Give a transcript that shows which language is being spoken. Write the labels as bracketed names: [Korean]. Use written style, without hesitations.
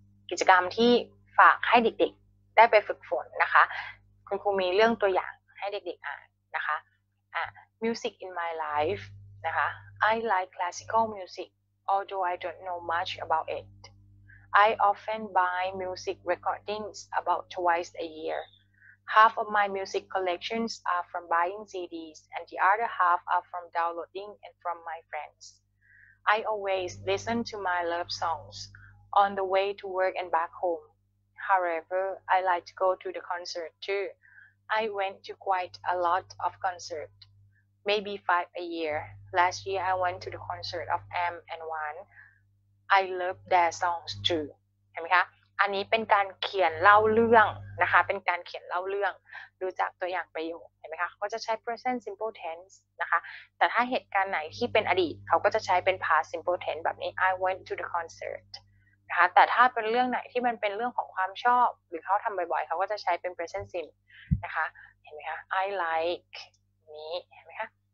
[Thai] กิจกรรมที่ฝากให้เด็กๆได้ไปฝึกฝนนะคะคุณครูมีเรื่องตัวอย่างให้เด็กๆอ่านนะคะ [English] Music in my life นะคะ I like classical music although I don't know much about it I often buy music recordings about twice a year Half of my music collections are from buying CDs and the other half are from downloading and from my friends. I always listen to my love songs on the way to work and back home. However, I like to go to the concert too. I went to quite a lot of concerts, maybe 5 a year. Last year I went to the concert of M and One. I love their songs too. [Thai] เห็นไหมคะอันนี้เป็นการเขียนเล่าเรื่องนะคะเป็นการเขียนเล่าเรื่องดูจากตัวอย่างประโยคเห็นไหมคะเขาจะใช้ present simple tense นะคะแต่ถ้าเหตุการณ์ไหนที่เป็นอดีตเขาก็จะใช้เป็น past simple tense แบบนี้ [English] I went to the concert [Thai] นะคะแต่ถ้าเป็นเรื่องไหนที่มันเป็นเรื่องของความชอบหรือเขาทำบ่อยๆเขาก็จะใช้เป็น present simple นะคะเห็นไหมคะ I like นี้เห็นไหมคะ